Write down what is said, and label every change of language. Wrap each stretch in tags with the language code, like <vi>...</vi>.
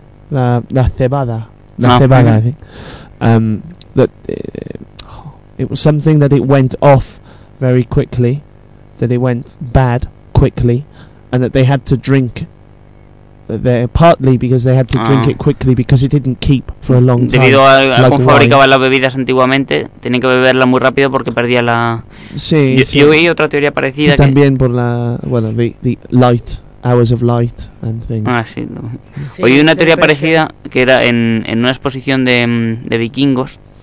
<es>La cebada. Cebada,</es> <en>I think. It was something that it went off very quickly, that it went bad quickly, and that they had to drink there, partly because they had to drink it quickly because it didn't keep for a long time.</en> <es>Debido a cómo fabricaban las bebidas antiguamente, tenían que beberla muy rápido porque perdía la... Sí, yo oí otra teoría parecida. Y también por la...</es> <en>Bueno, the light, hours of light and things.</en> <es>Ah, sí. No. Sí, oí una teoría parecida que era en una exposición de vikingos.</es>